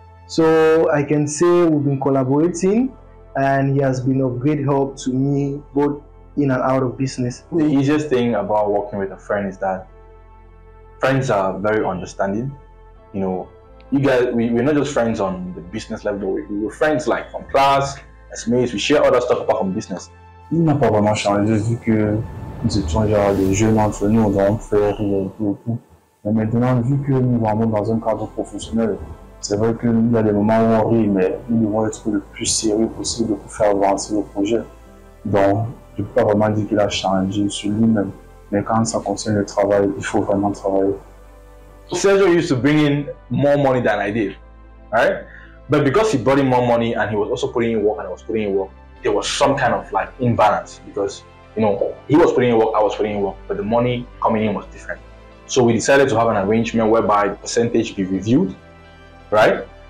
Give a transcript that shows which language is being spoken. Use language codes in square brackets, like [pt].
[en] So I can say we've been collaborating and he has been of great help to me both in and out of business. The easiest thing about working with a friend is that friends are very understanding. You know, you guys, we're not just friends on the business level, but we were friends like from class, as mates, we share other stuff apart from business. [fr] Il n'a pas vraiment changé vu que nous étions déjà des jeunes entre nous, on devait faire beaucoup. Mais maintenant, vu que nous vivons dans un cadre professionnel, c'est vrai qu'il y a des moments où on rit, mais nous devons être le plus sérieux possible pour faire avancer le projet. Donc, je ne peux pas vraiment dire qu'il a changé sur lui-même. Mais quand ça concerne le travail, il faut vraiment travailler. [en] Sergio used to bring in more money than I did, right? But because he brought in more money and he was also putting in work and I was putting in work, there was some kind of like imbalance because, you know, he was putting in work, I was putting in work, but the money coming in was different. So we decided to have an arrangement whereby the percentage be reviewed, right?